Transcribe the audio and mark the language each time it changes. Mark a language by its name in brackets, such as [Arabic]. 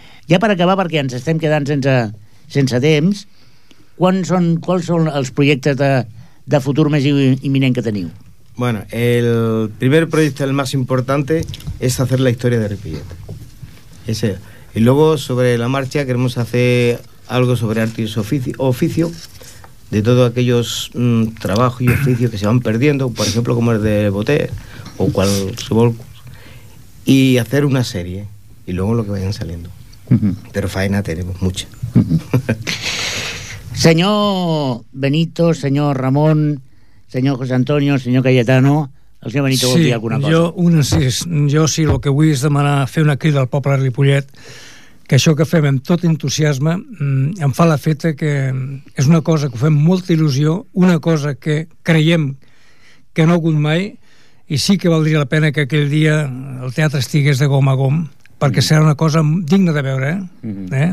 [Catalan] Ja per acabar, perquè ens estem quedant sense temps, quals són els projectes de futur més imminent que teniu? Bueno, el primer projecte, el més important, és fer la història de Ripollet. És el... [Spanish] Y luego sobre la marcha queremos hacer algo sobre arte y oficio, de todos aquellos trabajos y oficios que se van perdiendo, por ejemplo como el de boté o cual subolco, y hacer una serie y luego lo que vayan saliendo. Pero faena tenemos mucha. Señor Benito, señor Ramón, señor José Antonio, señor Cayetano, [Catalan] el senyor Benito, sí, vol dir alguna cosa. Jo, un encís. Jo sí, el que vull és demanar fer una crida al poble de Ripollet, que això que fem amb tot entusiasme em fa la feta que és una cosa que ho fem molta il·lusió, una cosa que creiem que no ha hagut mai, i sí que valdria la pena que aquell dia el teatre estigués de gom a gom, perquè serà una cosa digna de veure, eh?